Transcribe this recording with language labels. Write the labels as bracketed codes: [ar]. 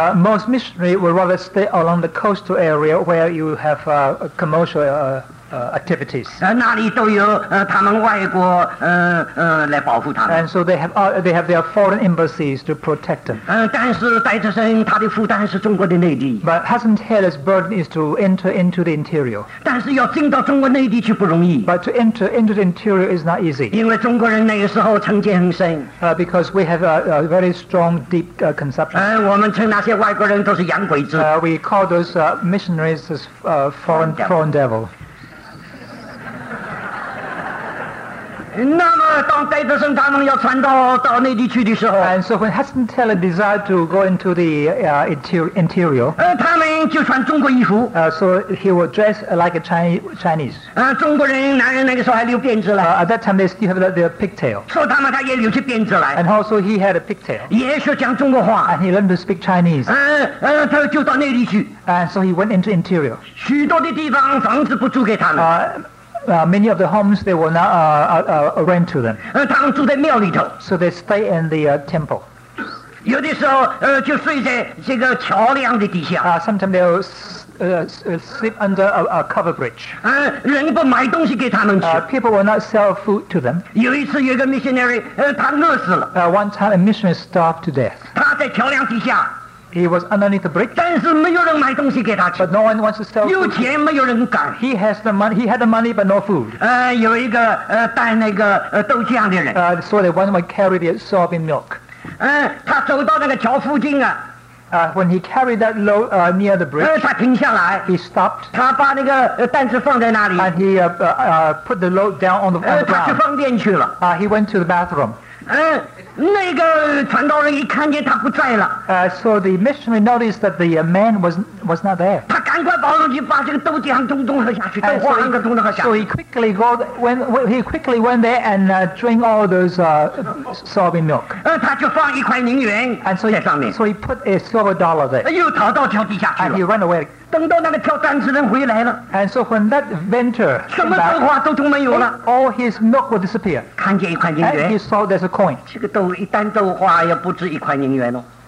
[en] most missionaries would rather stay along the coastal area where you have commercial activities. [zh] 那里都有他们外国来保护他们, [en] and so they have their foreign embassies to protect them. [zh] 但是戴德生他的负担是中国的内地, [en] but Hudson Taylor's burden is to enter into the interior. [zh] 但是要进到中国内地去不容易, [en] but to enter into the interior is not easy. [zh] 因为中国人那个时候成见很深, [en] because we have a very strong deep conception. [zh] 我们称那些外国人都是洋鬼子, [en] we call those missionaries as foreign devil. [zh] 那么当戴德生他们要传道到内地去的时候, [en] and so when Hudson Taylor desired to go into the interior, [zh] 他们就穿中国衣服, [en] so he was dressed like a Chinese. [zh] 中国人男人那个时候还留辫子了, [en] at that time they still have their pigtail, [zh] 说他们他也留起辫子来, [en] and also he had a pigtail, [zh] 也是讲中国话, [en] and he learned to speak Chinese. [zh] 他就到内地去, [en] and so he went into interior. [zh] 许多的地方房子不租给他们, [en] Many of the homes they will not rent to them. [zh] 他们住在庙里头, [en] so they stay in the temple. [zh] 有的时候就睡在这个桥梁的底下, [en] sometimes they'll sleep under a cover bridge. [zh] 人不买东西给他们吃, [en] people will not sell food to them. [zh] 有一次有一个 missionary, 他饿死了, [en] one time a missionary starved to death. [zh] 他在桥梁底下, [en] He was underneath the bridge. [zh] 但是没有人买东西给他吃, [en] but no one wants to sell food. [zh] 有钱没有人敢, [en] he has the money. He had the money, but no food. [zh] 有一个带那个豆浆的人, [en] so they went and carried the soybean milk. [zh] 他走到那个桥附近啊, [en] when he carried that load near the bridge, [zh] 他停下来, [en] he stopped. [zh] 他把那个担子放在那里, [en] and he put the load down on the, ground. He went to the bathroom. [zh] 那个传道人一看见他不在了, [en] so the missionary noticed that the man was not there. [zh] 他赶快跑上去把这个豆浆咚咚喝下去,豆花咚咚喝下去。 [en] So he quickly went there and drank all those soybean milk. [zh] 他就放一块零元, [en] and so he put a silver dollar there. [zh] 又逃到桥底下去了, [en] and he ran away. [zh] 等到那个挑担子人回来了, [en] and so when that venter came back, [zh] 什么豆花都没有了, [en] all his milk would disappear. [zh] 看见一块银元, [en] and he saw there's a coin. [zh] 这个豆花要不止一块银元哦,